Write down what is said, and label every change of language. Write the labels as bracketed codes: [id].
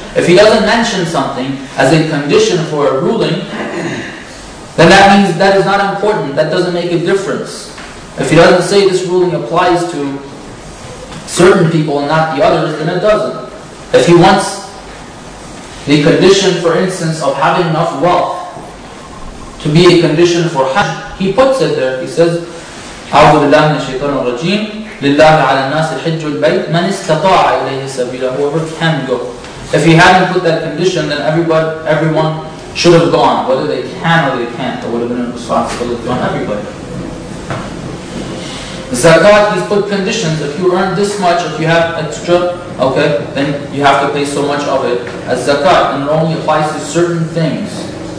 [en] If He doesn't mention something as a condition for a ruling, then that means that is not important, that doesn't make a difference. If He doesn't say this ruling applies to certain people and not the others, then it doesn't. If He wants the condition, for instance, of having enough wealth to be a condition for Hajj, He puts it there. He says, [ar] أعوذ بالله من الشيطان الرجيم لله على الناس حج البيت من استطاع إليه سبيلا. [en] Whoever can go. If He hadn't put that condition, then everyone should have gone. Whether they can or they can't, that would have been a responsibility on everybody. Zakat, He's put conditions. If you earn this much, if you have extra, okay, then you have to pay so much of it as zakat, and it only applies to certain things.